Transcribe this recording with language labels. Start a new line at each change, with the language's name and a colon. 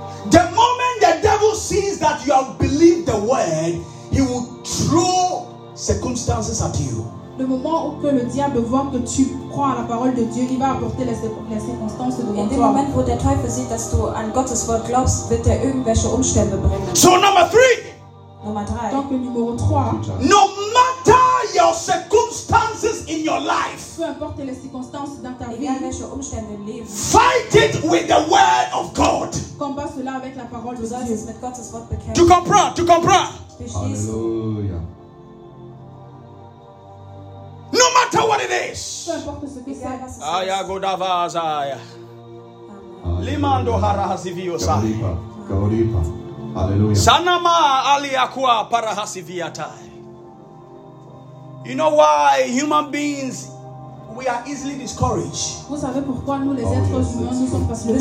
English: The moment the devil sees that you have believed the word, he will throw circumstances at you.
French: le moment où que le diable voit que tu crois à la parole de Dieu, il va apporter les circonstances devant toi.
German: In dem Moment, wo der Teufel sieht, dass du an Gottes Wort glaubst, wird er irgendwelche Umstände bringen.
English: So number three.
German: Nummer drei.
French: Donc le numéro trois.
English: No matter your circumstances in your life.
French: Peu importe les circonstances dans ta vie.
German: Egal welche Umstände im Leben.
English: Fight it with the word of God.
French: Combat cela avec la parole de Dieu.
German: Du sollst es mit Gottes Wort bekämpfen.
French: Tu comprends? Tu comprends? Alléluia.
English: No matter what it is. Aya godavaza ya. Limando harahasivio sa. Gaudipa. Hallelujah. Sanama aliakua parahasiviata. You know why human beings we are easily discouraged?
French: Vous savez pourquoi nous les êtres humains nous sommes facilement.